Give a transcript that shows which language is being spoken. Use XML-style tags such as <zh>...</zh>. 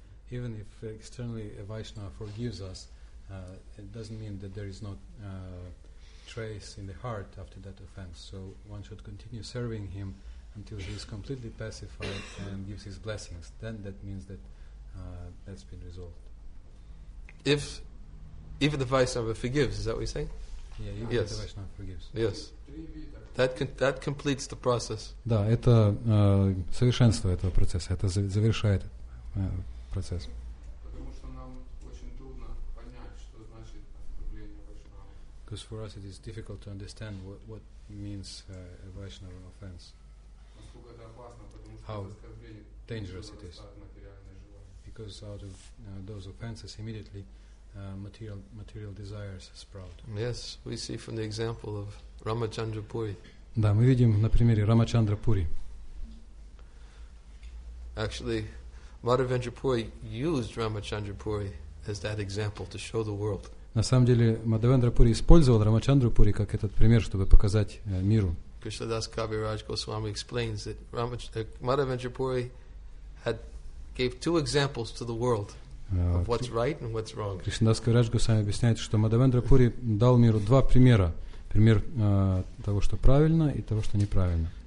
<en>Even if externally a Vaishnava forgives us, it doesn't mean that there is no trace in the heart after that offense. So one should continue serving him until he is completely pacified and gives his blessings. Then that means that that's been resolved. If the Vaishnava forgives, is that what you're saying? Yeah, even yes. If the Vaishnava forgives. Yes. That completes the process.</en> <ru>Да, это совершенство этого процесса. Это завершает процесс. Потому что нам очень трудно понять, что значит оскорбление Вайшнава.</ru> <en>Because for us it is difficult to understand what means a Vaishnava offense.</en> <ru>Насколько это опасно, потому что оскорбление</ru> <en>dangerous it is. Because out of those offenses immediately material desires sprout. Yes, we see from the example of Ramachandra Puri.</en> <ru>Да, мы видим на примере Рамачандра Пури.</ru> <en>Actually, Madhavendra Puri used Ramachandra Puri as that example to show the world.</en> <ru>На самом деле, Мадхавендра Пури использовал Рамачандру Пури как этот пример, чтобы показать миру.</ru> <en>Кришнадас Кавираж Госвами explains that Madhavendra Puri gave two examples to the world of what's right and what's wrong.</en> <ru>Кришнадас Кавираж Госвами объясняет, что Мадхавендра Пури дал миру два примера. Пример того, что правильно, и того, что неправильно.</ru>